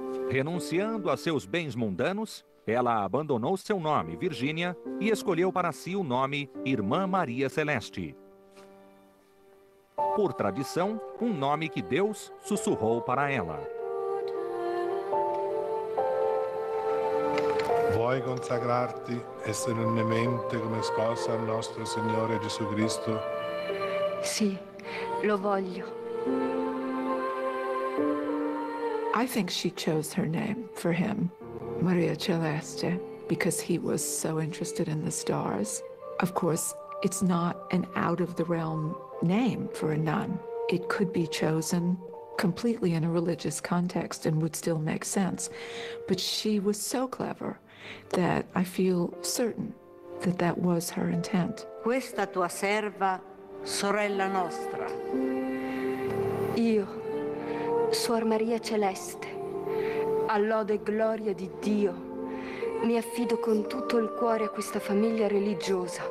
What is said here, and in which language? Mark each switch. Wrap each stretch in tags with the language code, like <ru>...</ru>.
<pt>Renunciando a seus bens mundanos, ela abandonou seu nome, Virgínia, e escolheu para si o nome Irmã Maria Celeste. Por tradição, um nome que Deus sussurrou para ela.</pt> <it>Vuoi consacrarti e solennemente come sposa al nostro Signore Gesù Cristo? Sì, lo voglio.</it> <en>I think she chose her name for him, Maria Celeste, because he was so interested in the stars. Of course, it's not an out-of-the-realm name for a nun. It could be chosen completely in a religious context and would still make sense. But she was so clever that I feel certain that that was her intent.</en> <it>Questa tua serva, sorella nostra. Io, Suor Maria Celeste, a lode e gloria di Dio, mi affido con tutto il cuore a questa famiglia religiosa.</it>